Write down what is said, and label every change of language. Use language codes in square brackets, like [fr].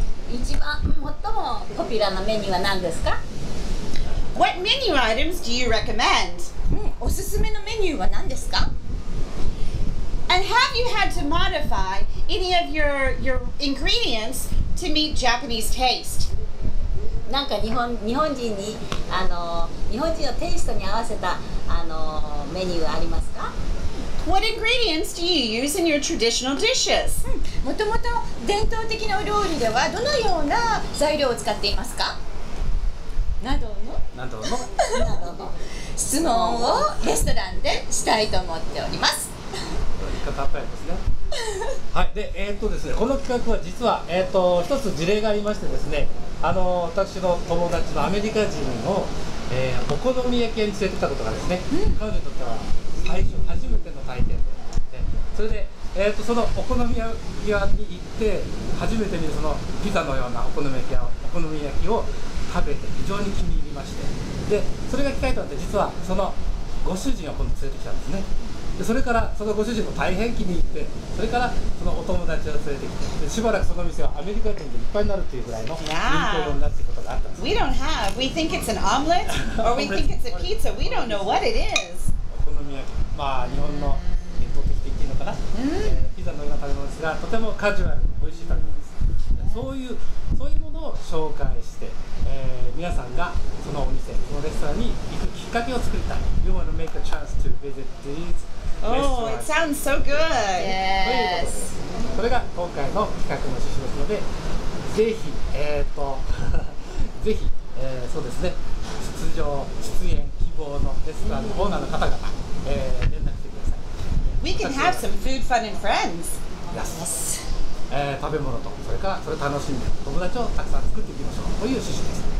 [ja] 一番最もポピュラーなメニューは何ですか？ [en] What menu items do you recommend? [ja] おすすめのメニューは何ですか？ [en] And have you had to modify any of your ingredients to meet Japanese taste? [ja] なんか日本人に、日日本人のテイストに合わせたメニューありますか？ [en] What ingredients do you use in your traditional dishes? [ja] もともと伝統的なお料理ではどのような材料を使っていますか？などの質問をレストランでしたいと思っております。言い方あったりですね。はい、で、ですね、この企画は実は、一つ事例がありましてですね、私の友達のアメリカ人を、お好み焼き屋に連れてたことがですね、彼女にとっては最初初めての体験で、それで、そのお好み焼き屋に行って初めて見るそのピザのようなお好み焼きを食べて非常に気に入りまして、でそれが機会となって実はそのご主人を今度連れてきたんですね。でそれからそのご主人も大変気に入って、それからそのお友達を連れてきて、でしばらくその店はアメリカ人でいっぱいになるというぐらいの人気者になっていくことがあったんです。 [en] We don't have, we think it's an omelet or we think it's a pizza, we don't know what it is. [ja] お好み焼き、まあ日本の伝統的って言っていいのかな、ピザのような食べ物ですが、とてもカジュアルで美味しい食べ物です。でそういうものを紹介して、皆さんがそのお店、このレストランに行くきっかけを作りたい。 [en] You want to make a chance to visit these Oh, it sounds so good. Yes. [ja] それが今回の企画の趣旨ですので、ぜひ、ぜひ、そうですね、出演希望のレストランのオーナーの方が、連絡してください。 [en] We can have some food, fun, and friends. Yes. Yes. [ja] 食べ物と、それからそれを楽しんで友達をたくさん作っていきましょうという趣旨です。